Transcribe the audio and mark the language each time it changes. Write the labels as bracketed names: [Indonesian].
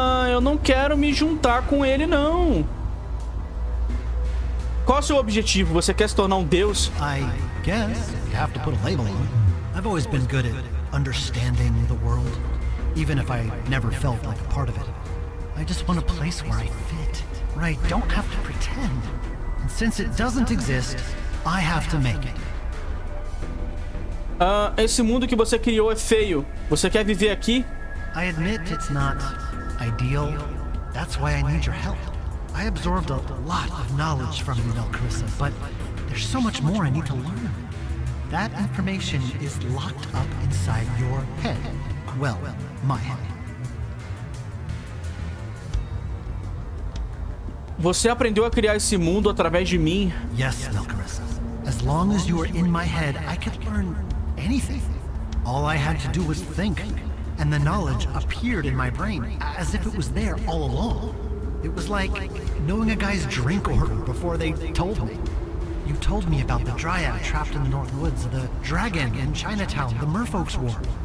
[Portuguese] Eu não quero me juntar com ele, não. Qual é o seu objetivo? Você quer se tornar um deus? [English] I guess you have to put a label on. I've always been good at understanding the world, even if I never felt like a part of it. I just want a place where I fit, where I don't have to pretend. And since it doesn't exist, I have to make it. [Portuguese] Esse mundo que você criou é feio. Você quer viver aqui? [English] I admit it's not ideal. That's why I need your help. I absorbed a lot of knowledge from you, Melcarissa, but there's so much more I need to learn. That information is locked up inside your head. Well, my head. [Portuguese] Você aprendeu a criar esse mundo através de mim? [English] Yes, Melcarissa. As long as you were in my head, I could learn anything. All I had to do was think, and the knowledge appeared in my brain as if it was there all along. It was like knowing a guy's drink order before they told me. You told me about the dryad trapped in the North Woods, the dragon in Chinatown, the merfolk's war.